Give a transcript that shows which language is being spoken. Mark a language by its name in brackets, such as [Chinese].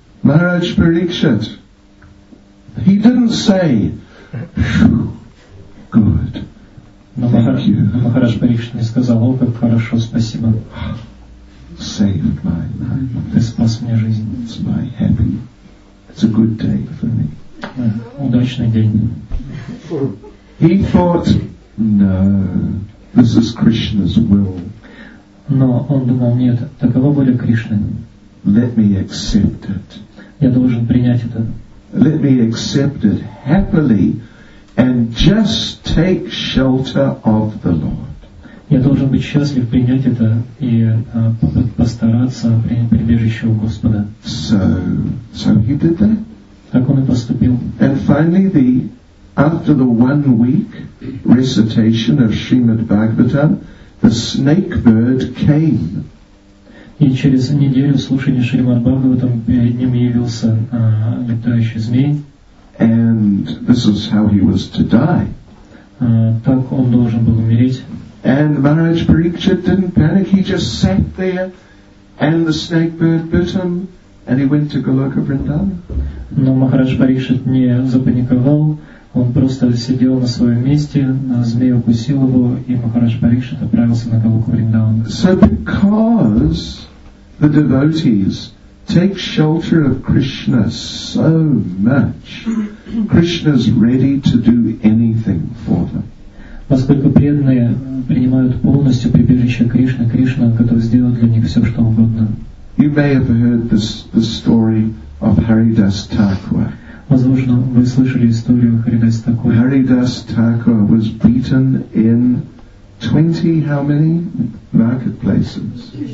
[English] Махарадж Парикшит, he didn't say, good, thank you. [Russian] Махарадж Парикшит не сказал, о, как хорошо, спасибо. [English] Saved my life. [Russian] Ты спас мне жизнь. [English] It's my happy. It's a good day for me. [Russian] Удачный день. [English] He thought, no, this is Krishna's will. [Russian] Но он думал, нет, такова воля Кришны. [English] Let me accept it. [Russian] Я должен принять это. [English] Let me accept it happily and just take shelter of the Lord. [Russian] Я должен быть счастлив принять это и постараться принять прибежище у Господа. [English] So he did that. [Russian] Так он и поступил. [English] And finally, after the 1 week recitation of Srimad Bhagavatam, the snake bird came. [Russian] И через неделю слушания Шримад Бхагаватам перед ним явился летающий змей. [English] And this is how he was to die. [Russian] Так он должен был умереть. [English] And Maharaj Parikshit didn't panic, he just sat there and the snake bird bit him and he went to Goloka Vrindavan. [Russian] Но Махарадж Парикшит не запаниковал, он просто сидел на своем месте, змей укусил его, и Махарадж Парикшит отправился на Голоку Вриндаван. [English] So because the devotees take shelter of Krishna so much, Krishna's ready to do anything for them. [Russian] Поскольку преданные принимают полностью прибежище Кришны, Кришна готов сделать для них все, что угодно. [English] You may have heard the story of Haridas Thakur. [Russian] Возможно, вы слышали историю Харидас Такура. [English] Haridas Thakur was beaten in 20 how many marketplaces?